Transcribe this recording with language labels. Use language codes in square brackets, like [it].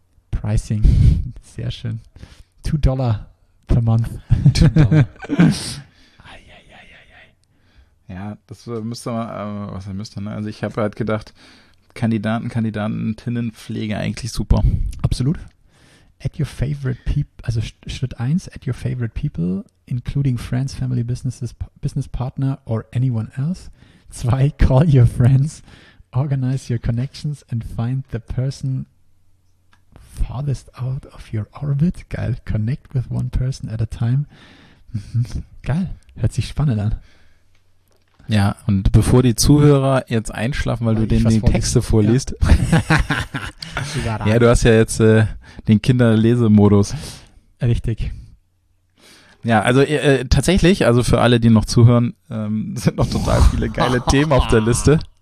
[en] Pricing. [de] Sehr schön. [en] $2 per Month. $2. Eieieiei. [de] Ja, das müsste man, was er müsste, ne? Also ich habe halt gedacht, Kandidaten, Kandidatinnen, Pflege eigentlich super. Absolut. [en] At your favorite people, [de] also Schritt 1, [en] at your favorite people, including friends, family, businesses, business partner or anyone else. 2, call your friends, organize your connections and find the person farthest out of your orbit. Geil, connect with one person at a time. [de] Geil, hört sich spannend an. Ja, und bevor die Zuhörer jetzt einschlafen, weil du denen die Texte vorliest. Ja, du hast ja jetzt den Kinderlesemodus. Richtig. Ja, also tatsächlich, also für alle, die noch zuhören, sind noch total viele geile Themen auf der Liste.